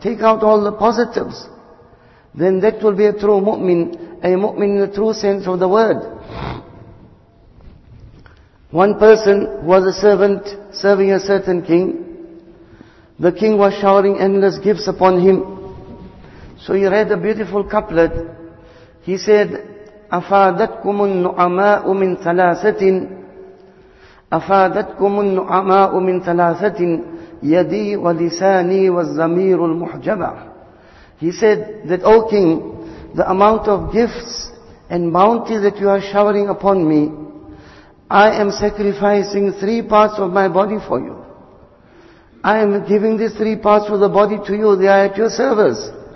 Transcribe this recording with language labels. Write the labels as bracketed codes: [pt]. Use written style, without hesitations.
[en] Take out all the positives. Then that will be a true mu'min, a mu'min in the true sense of the word. One person was a servant serving a certain king. The king was showering endless gifts upon him. So he read a beautiful couplet. He said, [ar] أفادتكم النعماء من ثلاثة أفادتكم النعماء من ثلاثة يدي ولساني والزمير المحجبة. [en] He said that, "O king, the amount of gifts and bounty that you are showering upon me, I am sacrificing three parts of my body for you. I am giving these three parts of the body to you. They are at your service.